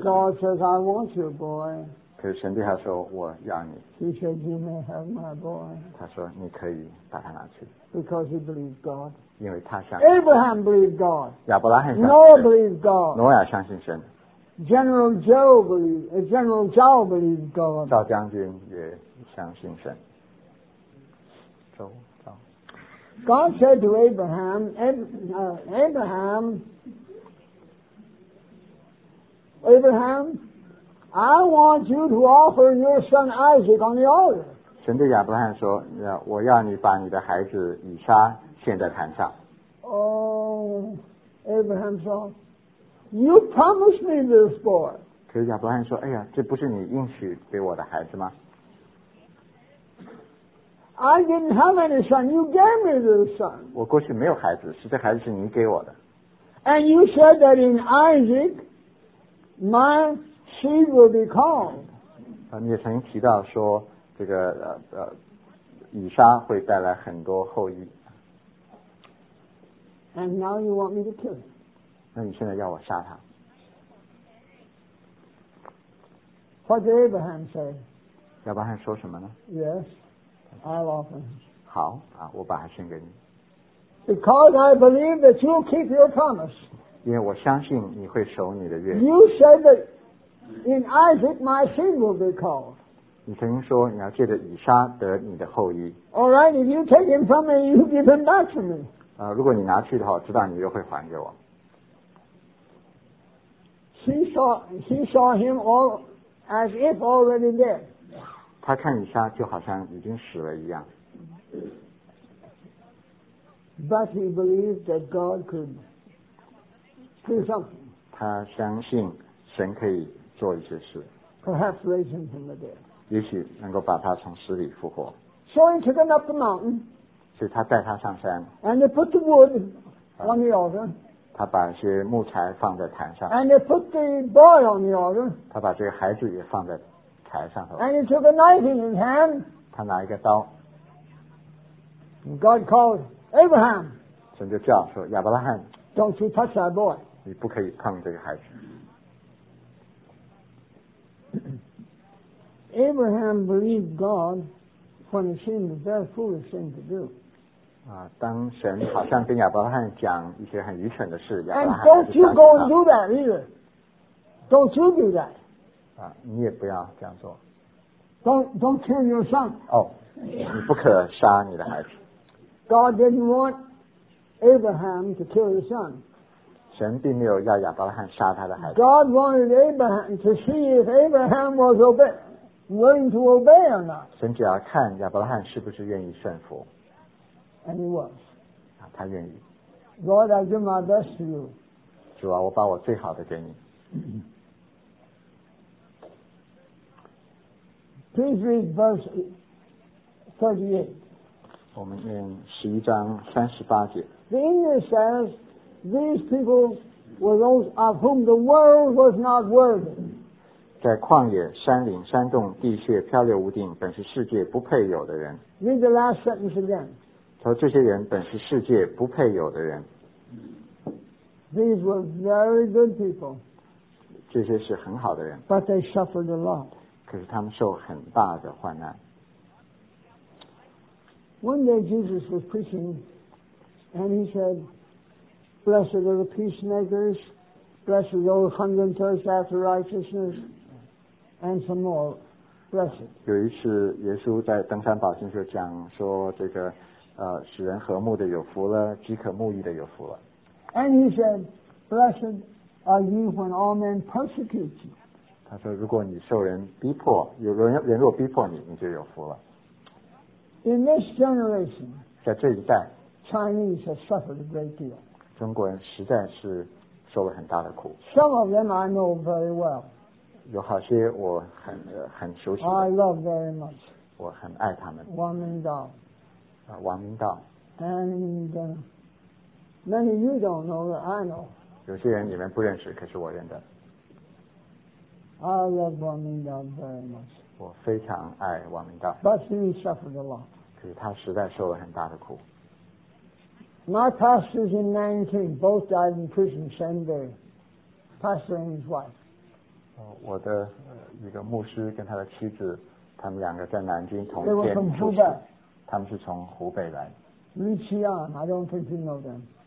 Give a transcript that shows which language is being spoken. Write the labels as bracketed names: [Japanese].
[English] God says, I want your boy. [Chinese] 可是神对他说，我要你。 [English] He said, you may have my boy. [Chinese] 他说，你可以把他拿去。 [English] Because he believed God. [Chinese] 因为他相信。 [English] Abraham believed God. [Chinese] 亚伯拉罕相信。 [English] Noah believed God. [Chinese] 挪亚相信神。 [English] General Joe believes God. [Chinese] 赵将军也相信神。 [English] God said to Abraham, Abraham, I want you to offer your son Isaac on the altar. [Chinese] 神对亚伯罕说，我要你把你的孩子以撒献在坛上。 [English] Oh, Abraham said,You promised me this boy. [Chinese] 可是亚伯罕说，哎呀，这不是你应许给我的孩子吗？ [English] I didn't have any son. You gave me this son. [Chinese] 我过去没有孩子，是这孩子是你给我的。 [English] And you said that in Isaac, my seed will be called. [Chinese] 你也曾经提到说，这个以撒会带来很多后裔。 [English] And now you want me to kill him. [Chinese] 那你现在要我杀他 [English] What did Abraham say? [Chinese] 亚伯罕说什么呢 [English] Yes, I'll offer him. [Chinese] 好、啊、我把他献给你 [English] Because I believe that you'll keep your promise. [Chinese] 因为我相信你会守你的约。 [English] You said that in Isaac my seed will be called. [Chinese] 你曾经说你要借着以撒得你的后裔。 [English] Alright, if you take him from me, you give him back to me.、 [Chinese] 如果你拿去的话我知道你又会还给我。 [English] He saw him all as if already dead. [Chinese] 他看以撒就好像已经死了一样。 [English] But he believed that God could do something. [Chinese] 他相信神可以做一些事。 [English] Perhaps raise him from the dead. [Chinese] 也许能够把他从死里复活。 [English] So he took him up the mountain. [Chinese] 所以他带他上山。 [English] And they put the wood on the altar. [Chinese] 他把一些木材放在坛上 [English] And he put the boy on the altar [Chinese] 他把这个孩子也放在台上 [English] And he took a knife in his hand [Chinese] 他拿一个刀 [English] God called Abraham [Chinese] 神就叫说亚伯拉罕 [English] Don't you touch that boy [Chinese] 你不可以碰这个孩子 [English] Abraham believed God when it seemed a very foolish thing to do [Chinese] 当神好像跟亚伯拉罕讲一些很愚蠢的事，亚伯拉罕就相信他。 [English] And don't you go and do that either. Don't you do that. [Chinese] 你也不要这样做。 [English] Don't kill your son. [Chinese] 你不可杀你的孩子。 [English] God didn't want Abraham to kill his son. [Chinese] 神并没有要亚伯拉罕杀他的孩子。 [English] God wanted Abraham to see if Abraham was willing to obey or not. [Chinese] 神只要看亚伯拉罕是不是愿意顺服。 [English] And he was. [Chinese] 他愿意。 [English] Lord, I give my best to you. [Chinese] 主啊，我把我最好的给你。 [English] Please read verse 38. [Chinese] 我们念十一章三十八节。 [English] The English says, these people were those of whom the world was not worthy. [Chinese] 在旷野、山岭、山洞、地穴、漂流无定，本是世界不配有的人。 [English] Read the last sentence again. [Chinese] 他说这些人本是世界不配有的人。 [English] These were very good people. [Chinese] 这些是很好的人。 [English] But they suffered a lot. [Chinese] 可是他们受很大的患难。 [English] One day Jesus was preaching, and he said, Blessed are the peacemakers, blessed are those hunger and thirst after righteousness, and some more, blessed. [Chinese] 有一次耶稣在登山宝训就讲说这个使人和睦的有福了，饥渴慕义的有福了。 [English] And he said, Blessed are you when all men persecute you. [Chinese] 他说如果你受人逼迫，有人若逼迫你，你就有福了。 [English] In this generation, [Chinese] 在这一代 [English] Chinese have suffered a great deal. [Chinese] 中国人实在是受了很大的苦。 [English] Some of them I know very well. [Chinese] 有好些我很熟悉的。 [English] I love very much. [Chinese] 我很爱他们。王明道。王明道。 [English] And many you don't know that I know. [Chinese] 有些人你们不认识，可是我认得。 [English] I love Wang Mingdao very much. [Chinese] 我非常爱王明道。 [English] But he suffered a lot. [Chinese] 可是他实在受了很大的苦。 [English] My pastors in 19 both died in prison same day. Pastor and his wife. [Chinese] 我的一个牧师跟他的妻子，他们两个在南京同一天出事。 [English] They were from Hubei. [Chinese] 他们是从湖北来。 [English] 李奇阳 I don't think you know them.